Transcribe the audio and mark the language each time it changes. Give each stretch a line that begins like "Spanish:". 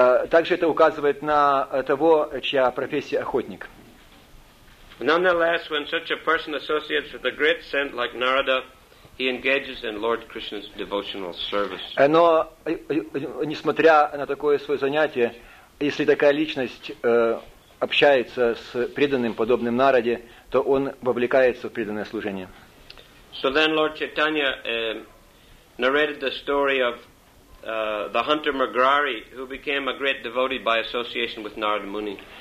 Russian: также это указывает на того, чья профессия охотник.
English: Nonetheless, when such a person associates with a great saint like Narada, he engages in Lord Krishna's devotional service.
Russian: Но несмотря на такое свое занятие, если такая личность общается с преданным подобным Нараде, то он вовлекается в преданное служение.
English: So then, Lord Chaitanya narrated the story of the hunter Magrari, who became a great devotee by association with Narada Muni.